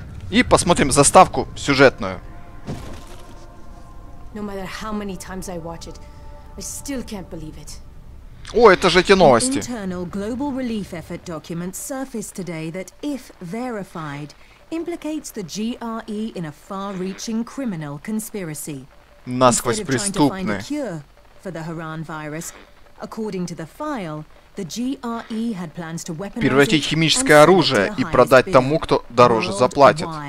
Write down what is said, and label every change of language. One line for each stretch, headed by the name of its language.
Russian: И посмотрим заставку сюжетную.
English: No matter how many times I watch it, I still can't believe it.
Russian: О, это же эти новости.
English: Internal global relief effort document surfaced today that, if verified, implicates the GRE in a far-reaching criminal conspiracy.
Russian: Насквозь преступны.
English: Instead of trying to find a cure for the Haran virus, According to the file, the GRE had plans to weaponize
Russian: превратить химическое оружие и продать тому, кто дороже заплатит.